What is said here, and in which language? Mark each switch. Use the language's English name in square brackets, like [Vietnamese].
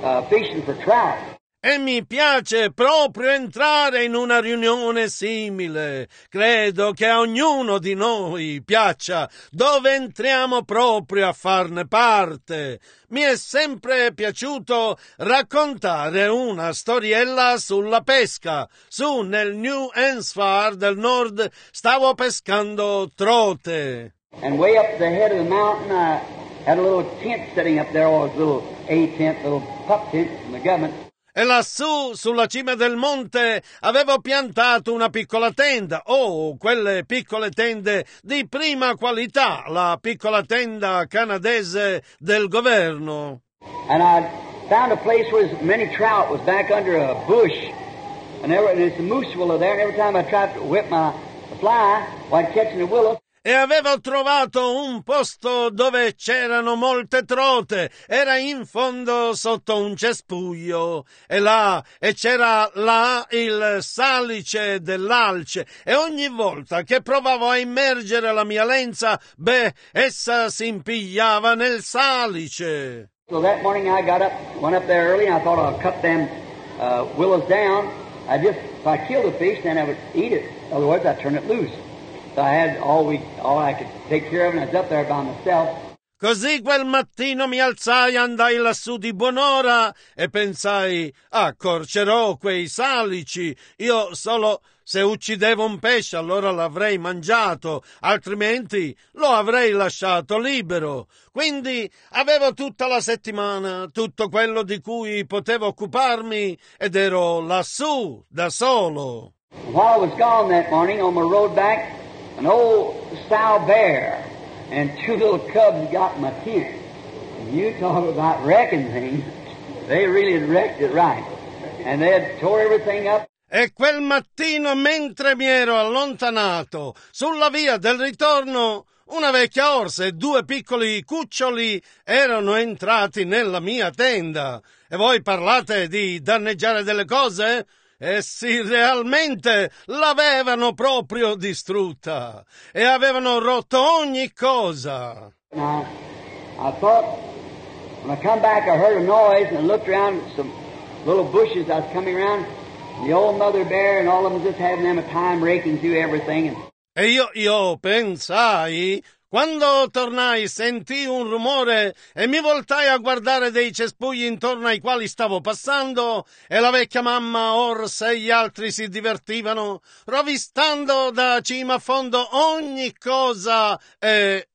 [English] Fishing for trout. [Italian] E mi piace proprio entrare in una riunione simile. Credo che a ognuno di noi piaccia dove entriamo proprio a farne parte. Mi è sempre piaciuto raccontare una storiella sulla pesca. Su nel New Hampshire del nord stavo pescando trote. [English] And way up the head of the mountain I had a little tent sitting up there, a little A-tent, little pup tent from the government. [Italian] E lassù, sulla cima del monte, avevo piantato una piccola tenda. Oh, quelle piccole tende di prima qualità, la piccola tenda canadese del governo. [English] And I found a place where many trout was back under a bush. And it's a moose willow there. And every time I tried to whip my fly while catching the willow. [Italian] E avevo trovato un posto dove c'erano molte trote. Era in fondo sotto un cespuglio. E c'era là il salice dell'alce. E ogni volta che provavo a immergere la mia lenza, essa si impigliava nel salice. [English] So that morning I got up, went up there early, and I thought I'd cut them willows down. If I killed a fish, then I would eat it. Otherwise, I'd turn it loose. I had all I could take care of, and I was up there by myself. [Italian] Così quel mattino mi alzai, andai lassù di buon'ora e pensai, accorcerò quei salici. Io solo se uccidevo un pesce allora l'avrei mangiato, altrimenti lo avrei lasciato libero. Quindi avevo tutta la settimana, tutto quello di cui potevo occuparmi ed ero lassù da solo. [English] While I was gone that morning on my road back, an old sow bear and two little cubs got in my tent. And you talk about wrecking things. They really had wrecked it right. And they had tore everything up. [Italian] E quel mattino, mentre mi ero allontanato, sulla via del ritorno, una vecchia orsa e due piccoli cuccioli erano entrati nella mia tenda. E voi parlate di danneggiare delle cose? Essi realmente l'avevano proprio distrutta e avevano rotto ogni cosa. [English] I thought when I come back I heard a noise and I looked around at some little bushes I was coming around, the old mother bear and all of them just having them a time raking through everything. [Italian] E io pensai, quando tornai sentì un rumore e mi voltai a guardare dei cespugli intorno ai quali stavo passando e la vecchia mamma orsa e gli altri si divertivano rovistando da cima a fondo ogni cosa e...